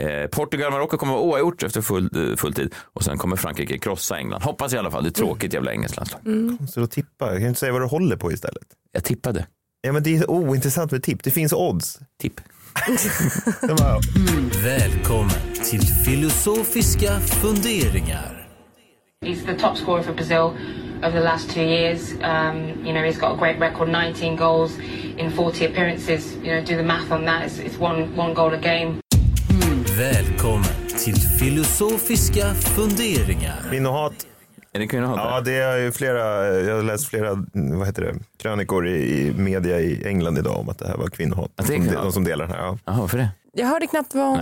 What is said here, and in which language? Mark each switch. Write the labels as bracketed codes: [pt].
[sv] Portugal och Marocko kommer vara oavgjort efter fulltid. Och sen kommer Frankrike krossa England. Hoppas i alla fall. Det är tråkigt jävla engelskt landslag. Konstigt att tippa. Jag kan inte säga vad du håller på istället. Jag tippade. Ja, men det är ointressant med tipp. Det finns odds. Tipp. Välkommen till filosofiska funderingar. [en] He's the top scorer for Brazil over the last two years. You know, he's got a great record, 19 goals in 40 appearances. You know, do the math on that. It's one goal a game. [sv] Välkommen till filosofiska funderingar. Min och hat. Är det kvinnohat? Ja, det är ju flera, jag har läst flera, vad heter det, krönikor i media i England idag om att det här var kvinnohat. Att det är kvinnohat? De som delar den här, ja. Jaha, varför det? Jag hörde knappt vad hon